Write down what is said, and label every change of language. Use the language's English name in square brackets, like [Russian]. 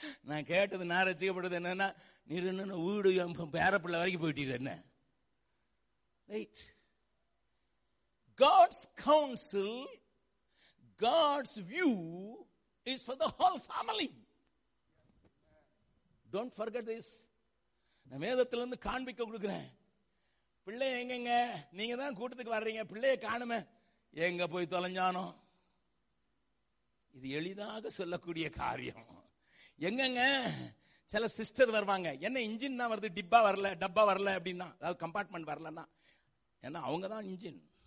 [Tamil] நான் கேட்டது நான் ரட்சிக்கப்படுது என்னன்னா, நீ வீடு பேரப்பிள்ளை வரைக்கும் போயிட்டீர் என்ன? [English] God's counsel, God's view is for the whole family. Don't forget this. [Tamil] வேதத்தில் இருந்து காண்பிக்க கொடுக்கிறேன். பிள்ளை எங்கங்க, நீங்க தான் கூட்டத்துக்கு வர்றீங்க, பிள்ளையை காணும, எங்க போய் தொலைஞ்சானோ? இது எளிதாக சொல்லக்கூடிய காரியம். எங்கங்க சில சிஸ்டர் வருவாங்க, என்ன இன்ஜின் தான் வருது, டிப்பா வரல, டப்பா வரல அப்படின்னா, அதாவது கம்பார்ட்மெண்ட் வரலன்னா, ஏன்னா அவங்க தான் இன்ஜின்.